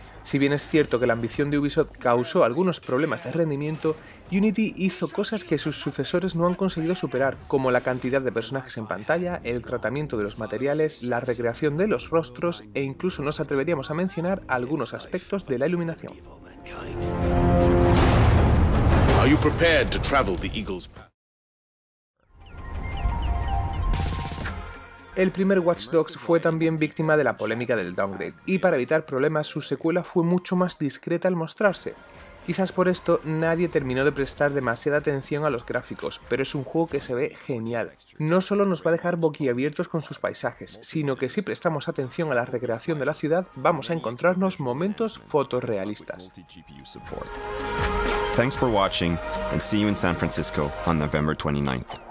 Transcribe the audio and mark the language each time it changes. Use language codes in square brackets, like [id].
[es] Si bien es cierto que la ambición de Ubisoft causó algunos problemas de rendimiento, Unity hizo cosas que sus sucesores no han conseguido superar, como la cantidad de personajes en pantalla, el tratamiento de los materiales, la recreación de los rostros e incluso nos atreveríamos a mencionar algunos aspectos de la iluminación. [en] Are you prepared to travel the Eagle's path? [es] El primer Watch Dogs fue también víctima de la polémica del downgrade, y para evitar problemas, su secuela fue mucho más discreta al mostrarse. Quizás por esto nadie terminó de prestar demasiada atención a los gráficos, pero es un juego que se ve genial. No solo nos va a dejar boquiabiertos con sus paisajes, sino que si prestamos atención a la recreación de la ciudad, vamos a encontrarnos momentos fotorrealistas. [en] Thanks for watching and see you in San Francisco on November 29th.